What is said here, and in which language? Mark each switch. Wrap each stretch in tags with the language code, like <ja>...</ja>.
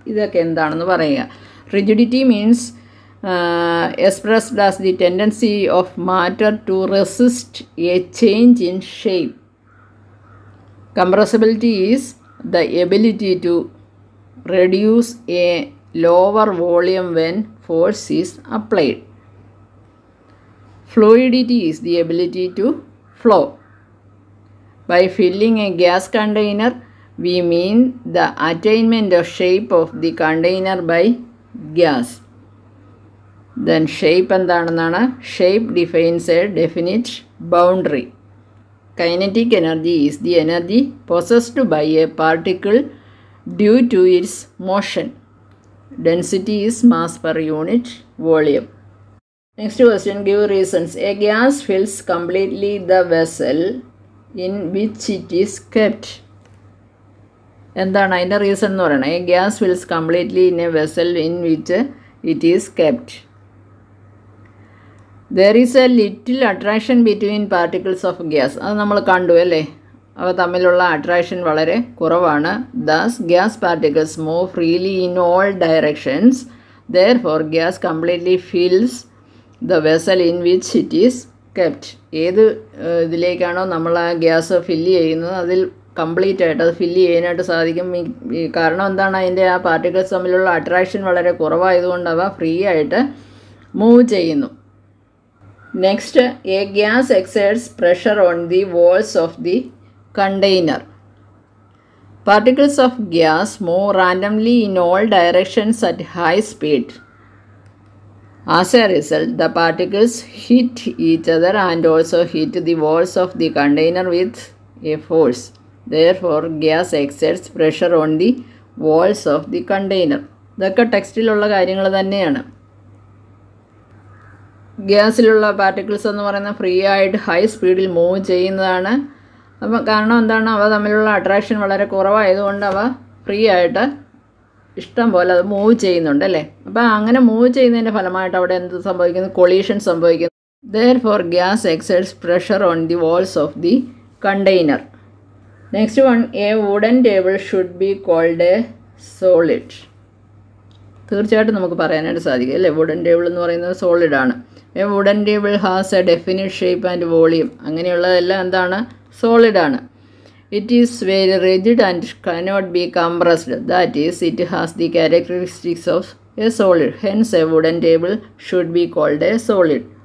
<ml>ഇതൊക്കെ എന്താണെന്ന് പറയുക.</ml> <en>Rigidity means expressed as the tendency of matter to resist a change in shape. Compressibility is the ability to reduce a lower volume when force is applied. Fluidity is the ability to flow. By filling a gas container, we mean the attainment of shape of the container by gas. Then shape</en> <ml>endanana,</ml> <en>shape defines a definite boundary. Kinetic energy is the energy possessed by a particle due to its motion. Density is mass per unit volume. Next question, give reasons. A gas fills completely the vessel in which it is kept.</en> <ml>എന്താണ് അതിൻ്റെ reason എന്ന് പറയുന്നത്?</ml> <en>A gas fills completely in a vessel in which it is kept. There is a little attraction between particles of gas.</en> <ml>അത് നമ്മൾ കണ്ടു അല്ലേ, അവ തമ്മിലുള്ള അട്രാക്ഷൻ വളരെ കുറവാണ്.</ml> <en>Thus gas particles move freely in all directions. Therefore gas completely fills the vessel in which it is kept.</en> <ml>ഏത് ഇതിലേക്കാണോ നമ്മൾ ആ ഗ്യാസ് ഫില്ല് ചെയ്യുന്നത് അതിൽ കംപ്ലീറ്റ് ആയിട്ട് അത് ഫില്ല് ചെയ്യാനായിട്ട് സാധിക്കും. കാരണം എന്താണ്? അതിൻ്റെ ആ പാർട്ടിക്കിൾസ് തമ്മിലുള്ള അട്രാക്ഷൻ വളരെ കുറവായതുകൊണ്ട് അവ ഫ്രീ ആയിട്ട് മൂവ് ചെയ്യുന്നു.</ml> <en>Next, a gas exerts pressure on the walls of the container. Particles of gas move randomly in all directions at high speed. As a result, the particles hit each other and also hit the walls of the container with a force. Therefore, gas exerts pressure on the walls of the container.</en> <ml>ഇതൊക്കെ ടെക്സ്റ്റിലുള്ള കാര്യങ്ങൾ തന്നെയാണ്. ഗ്യാസിലുള്ള particles എന്ന് പറയുന്നത് free ആയിട്ട് high സ്പീഡിൽ move ചെയ്യുന്നതാണ്. അപ്പം കാരണം എന്താണ്? അവ തമ്മിലുള്ള അട്രാക്ഷൻ വളരെ കുറവായതുകൊണ്ട് അവ ഫ്രീ ആയിട്ട് ഇഷ്ടം പോലെ അത് മൂവ് ചെയ്യുന്നുണ്ട് അല്ലേ. അപ്പോൾ അങ്ങനെ മൂവ് ചെയ്യുന്നതിൻ്റെ ഫലമായിട്ട് അവിടെ എന്ത് സംഭവിക്കുന്നു? കൊളീഷൻ സംഭവിക്കുന്നു.</ml> <en>Therefore gas exerts pressure on the walls of the container. Next one, a wooden table should be called a solid.</en> <ml>തീർച്ചയായിട്ടും നമുക്ക് പറയാനായിട്ട് സാധിക്കും അല്ലേ, വുഡൻ ടേബിൾ എന്ന് പറയുന്നത് സോളിഡാണ്.</ml> <en>A wooden table has a definite shape and volume.</en> <ml>അങ്ങനെയുള്ളതെല്ലാം എന്താണ്? സോളിഡാണ്.</ml> <en>It is very rigid and cannot be compressed. That is, it has the characteristics of a solid. Hence, a wooden table should be called a solid.</en>